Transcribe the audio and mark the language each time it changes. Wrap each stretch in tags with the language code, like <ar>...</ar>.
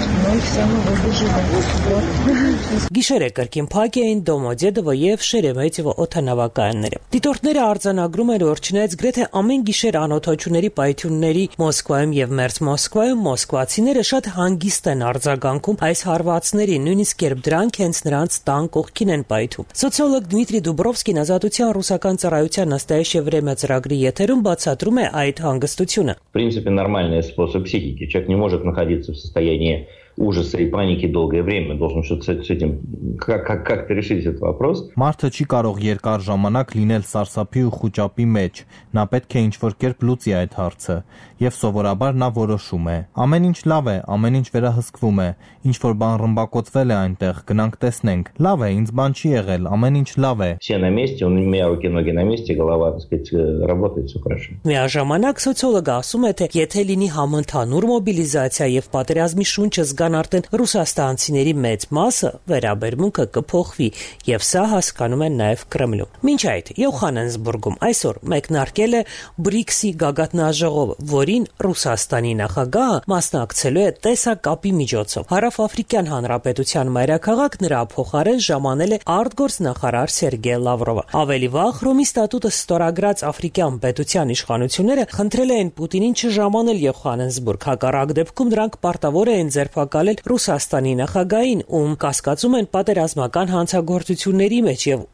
<hy>Գիշերը կրկին փակ էին Դոմոդեդովո և Շերեմետիվո օդանավակայանները։ Դիտորդները արձանագրում են, որ չնայած գրեթե ամեն գիշեր անօթաչուների պայթյունների Մոսկվայում և Մերձմոսկվայում մոսկվացիները շատ հանգիստ են արձագանքում այս հարվածների, նույնիսկ երբ դրանք հենց նրանց տան կողքին են պայթում։ Սոցիոլոգ Դմիտրի Դուբրովսկին Ազատության ռուսական ծառայության Նաստայեշե վրեմյա ծրագրի եթերում բացատրում է այդ հանգստությունը։</hy> <ru>В принципе, нормальный способ психики. Человек не может находиться в состоянии ужаса и паники долгое время. Должен что-то с этим как-то решить этот вопрос.</ru> <hy>Մարդը չի կարող երկար ժամանակ լինել սարսափի ու խուճապի մեջ։ Նա պետք է ինչ-որ կերպ լուծի այդ հարցը, եւ սովորաբար նա որոշում է։ Ամեն ինչ լավ է, ամեն ինչ վերահսկվում է, ինչ որ բան ռմբակոծվել է այնտեղ, գնանք տեսնենք։ Լավ է, ինձ բան չի եղել, ամեն ինչ լավ է։</hy> <ru>Сена месте, он имея руки ноги на месте, голова, так сказать, работает всё хорошо.</ru> <hy>Մեր ժամանակ սոցիոլոգը ասում է, թե եթե լինի համընդհանուր մոբիլիզացիա եւ պատերազմի շունչը զգան արդեն ռուսաստանցիների մեծ մասը, վերաբերմունքը կփոխվի, եւ սա հասկանում են նաեւ Կրեմլում։ Մինչ այդ, Յոհաննեսբուրգում այսօր մեկնարկել է BRICS-ի գագաթնաժողովը, որին Ռուսաստանի նախագահը մասնակցելու է տեսակապի միջոցով։ Հարավաֆրիկյան հանրապետության մայրաքաղաք նրա փոխարեն ժամանել է արտգործնախարար Սերգե Լավրովը։ Ավելի վաղ Ռոմի ստատուտը ստորագրած աֆրիկյան պետության իշխանությունները խնդրել էին Պուտինին չժամանել Յոհաննեսբուրգ, հակառակ դեպքում նրանք պարտավոր էին ձերբակալել Ռուսաստանի նախագահին, ում կասկածում են պատերազմական հանցագործությունների մեջ եւ</hy>